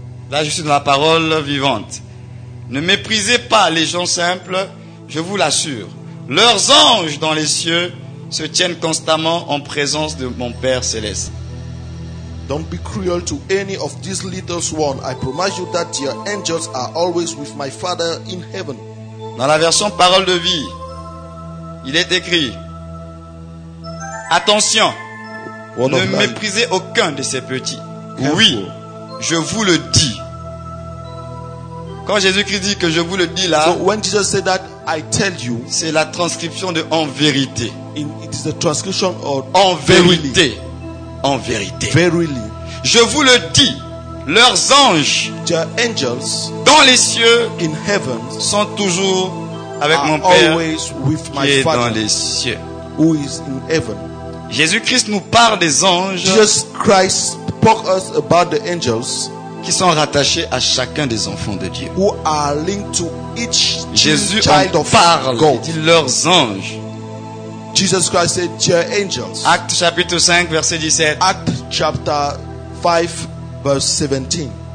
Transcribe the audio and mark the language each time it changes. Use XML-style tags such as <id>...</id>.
<fr>Là, je suis dans la parole vivante. Ne méprisez pas les gens simples, je vous l'assure. Leurs anges dans les cieux se tiennent constamment en présence de mon Père céleste.</fr> <en>Don't be cruel to any of these little ones. I promise you that your angels are always with my Father in heaven.</en> <fr>Dans la version Parole de vie, il est écrit: attention,</fr> <en>one</en> <fr>ne méprisez aucun de ces petits.</fr> <en>Careful.</en> <fr>Oui, je vous le dis. Quand Jésus-Christ dit que je vous le dis là,</fr> <en>so when Jesus said that, I tell you,</en> <fr>c'est la transcription de en vérité.</fr> <en>It is the transcription of</en> <fr>en vérité. En vérité.</fr> <en>Verily,</en> <fr>je vous le dis, leurs anges,</fr> <en>their angels,</en> <fr>dans les cieux,</fr> <en>in heavens,</en> <fr>sont toujours avec mon Père qui est dans les cieux.</fr> <en>Who is in heaven.</en> <fr>Jésus-Christ nous parle des anges.</fr> <en>Jesus Christ spoke us about the angels</en> <fr>qui sont rattachés à chacun des enfants de Dieu.</fr> <en>Who are linked to each</en> <fr>Jésus</fr> <en>child</en> <fr>en parle,</fr> <en>God.</en> <fr>Il dit leurs anges.</fr> <en>Jesus Christ said, "Dear angels."</en> <fr>Acte chapitre 5 verset 17.</fr> <en>Acte chapter 5 verse 17.</en>